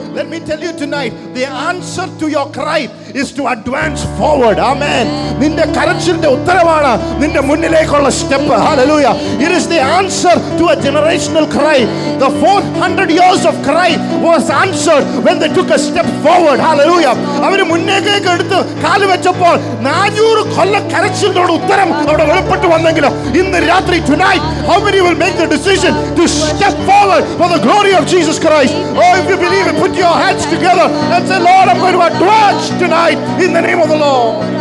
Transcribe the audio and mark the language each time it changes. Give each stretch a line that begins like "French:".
English: Let me tell you tonight, the answer to your cry is to advance forward. Amen.
Malayalam: Ninde karachinte uttaravana ninde munnilekkulla step.
English: Hallelujah. It is the answer to a generational cry. The 400 years of cry was answered when they took a step forward. Hallelujah.
Malayalam: അവര് മുന്നേക്ക് എടുത്ത് കാല് വെച്ചപ്പോൾ 400 കൊല്ല കരച്ചിലിനോട് ഉത്തരം അവിടെ വെളിപ്പെട്ട് വന്നെങ്കിലും ഇന്ന് രാത്രി
English: tonight how many will make the decision to step forward for the glory of Jesus Christ. Oh, if you believe it, put your hands together and say, Lord, I'm going to advance tonight in the name of the Lord.